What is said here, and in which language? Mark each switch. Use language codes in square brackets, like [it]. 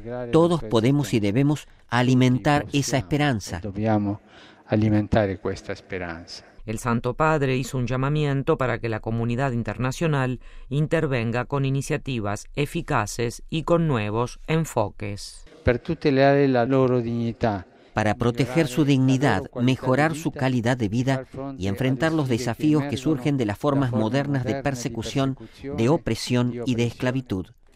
[es] Todos podemos y debemos alimentar esa esperanza. El Santo Padre hizo un llamamiento para que la comunidad internacional intervenga con iniciativas eficaces y con nuevos enfoques. [it] Per tutelare la loro dignità. [es] Para proteger su dignidad, mejorar su calidad de vida y enfrentar los desafíos que surgen de las formas modernas de persecución, de opresión y de esclavitud.